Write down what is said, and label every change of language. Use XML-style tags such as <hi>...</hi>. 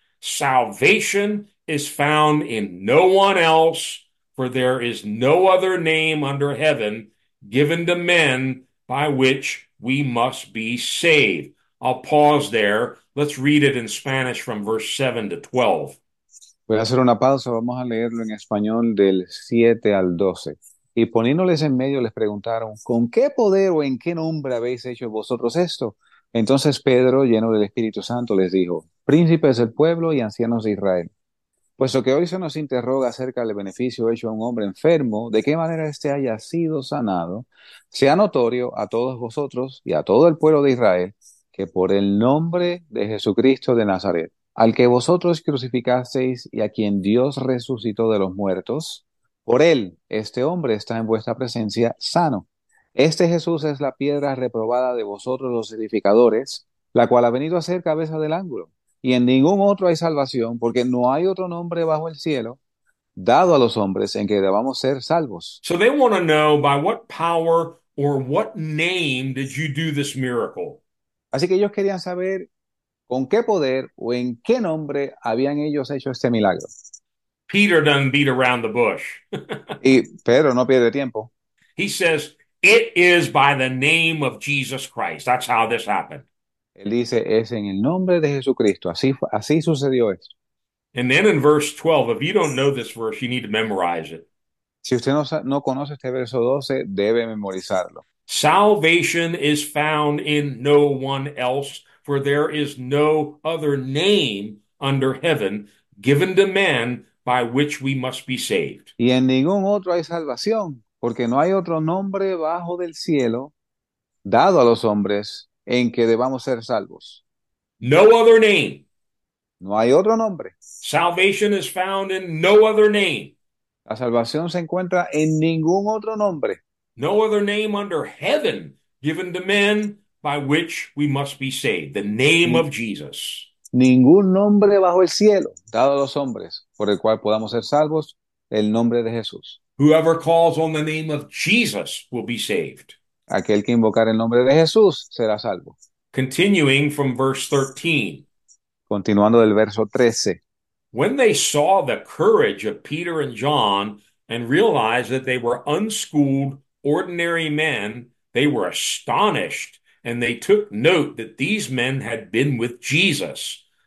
<en>Salvation is found in no one else, for there is no other name under heaven given to men by which we must be saved. I'll pause there. Let's read it in Spanish from verse 7 to 12.</en> <es>Voy a hacer una pausa, vamos a leerlo en español del 7 al 12. Y poniéndoles en medio, les preguntaron, ¿con qué poder o en qué nombre habéis hecho vosotros esto? Entonces Pedro, lleno del Espíritu Santo, les dijo, príncipes del pueblo y ancianos de Israel, puesto que hoy se nos interroga acerca del beneficio hecho a un hombre enfermo, de qué manera éste haya sido sanado, sea notorio a todos vosotros y a todo el pueblo de Israel que por el nombre de Jesucristo de Nazaret, al que vosotros crucificasteis y a quien Dios resucitó de los muertos, por él este hombre está en vuestra presencia sano. Este Jesús es la piedra reprobada de vosotros los edificadores, la cual ha venido a ser cabeza del ángulo. Y en ningún otro hay salvación, porque no hay otro nombre bajo el cielo dado a los hombres en que debamos ser salvos.</es> <en>So they want to know by what power or what name did you do this miracle?</en> <es>Así que ellos querían saber, ¿con qué poder o en qué nombre habían ellos hecho este milagro?</es> <en>Peter doesn't beat around the bush.</en> <es>Y Pedro no pierde tiempo.</es> <en>He says, it is by the name of Jesus Christ. That's how this happened.</en> <es>Él dice, es en el nombre de Jesucristo. Así sucedió esto.</es> <en>And then in verse 12, if you don't know this verse, you need to memorize it.</en> <es>Si usted no conoce este verso 12, debe memorizarlo.</es> <en>Salvation is found in no one else, for there is no other name under heaven given to men by which we must be saved.</en> <es>Y en ningún otro hay salvación, porque no hay otro nombre bajo del cielo dado a los hombres en que debamos ser salvos.</es> <en>No other name.</en> <es>No hay otro nombre.</es> <en>Salvation is found in no other name.</en> <es>La salvación se encuentra en ningún otro nombre.</es> <en>No other name under heaven given to men by which we must be saved. The name of Jesus.</en> <es>Ningún nombre bajo el cielo dado a los hombres por el cual podamos ser salvos. El nombre de Jesús.</es> <en>Whoever calls on the name of Jesus will be saved.</en> <es>Aquel que invocar el nombre de Jesús será salvo.</es> <en>Continuing from verse 13.</en> <es>Continuando del verso 13.</es> <en>When they saw the courage of Peter and John and realized that they were unschooled, ordinary men, they were astonished, and they took note that these men had been with Jesus.</en>